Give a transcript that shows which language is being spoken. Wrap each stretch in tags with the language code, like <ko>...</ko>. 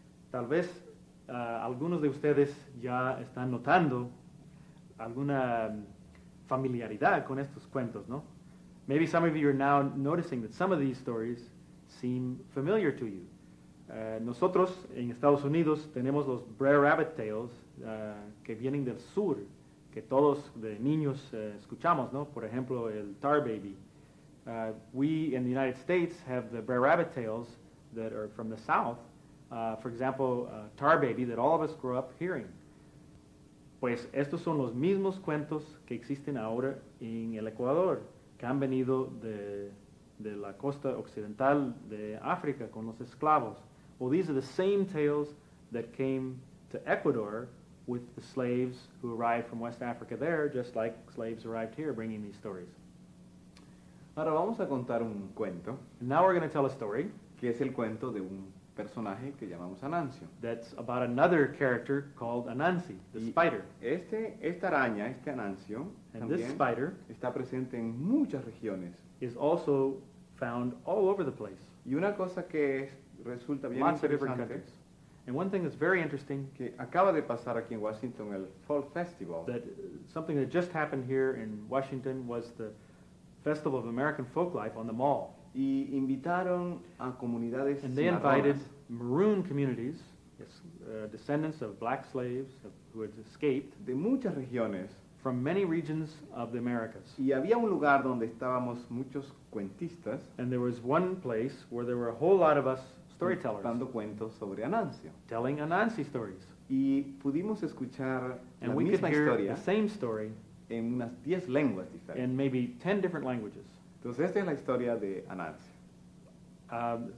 <es>Tal vez algunos de ustedes ya están notando alguna familiaridad con estos cuentos, ¿no?</es> <en>Maybe some of you are now noticing that some of these stories seem familiar to you.</en> <es>Nosotros en Estados Unidos tenemos los Brer Rabbit Tales que vienen del sur, que todos de niños escuchamos, ¿no? Por ejemplo, el Tar Baby.</es> <en>We in the United States have the Brer Rabbit Tales that are from the south. For example, Tar Baby, that all of us grew up hearing.</en> <es>Pues estos son los mismos cuentos que existen ahora en el Ecuador, que han venido de la costa occidental de África con los esclavos.</es> <en>Well, these are the same tales that came to Ecuador with the slaves who arrived from West Africa there, just like slaves arrived here bringing these stories.</en> <es>Ahora vamos a contar un cuento.</es> <en>And now we're going to tell a story.</en> <es>Que es el cuento de un personaje que llamamos Anansio.</es> <en>That's about another character called Anansi, the spider.</en> <es>Esta araña, este Anansio,</es> <en>and this spider</en> <es>está presente en muchas regiones.</es> <en>Is also found all over the place.</en> <es>Y una cosa que resulta bien interesante.</es> <en>And one thing that's very interesting,</en> <es>que acaba de pasar aquí en Washington, el Fall Festival.</es> <en>That something that just happened here in Washington was the Festival of American Folklife on the Mall.</en> <es>Y invitaron a comunidades</es> <en>and they invited maroon communities, descendants of black slaves who had escaped</en> <es>de muchas regiones</es> <en>from many regions of the Americas.</en> <es>Y había un lugar donde estábamos muchos cuentistas,</es> <en>and there was one place where there were a whole lot of us storytellers</en> <es>contando cuentos sobre Anansio,</es> <en>telling Anansi stories.</en> <es>Y pudimos escuchar</es> <en>and</en> <es>la</es> <en>we</en> <es>misma</es> <en>could hear</en> <es>historia</es> <en>the same story</en> <es>en unas 10 lenguas diferentes,</es> <en>in maybe 10 different languages.</en> <es>Entonces esta es la historia de Anansi.</es>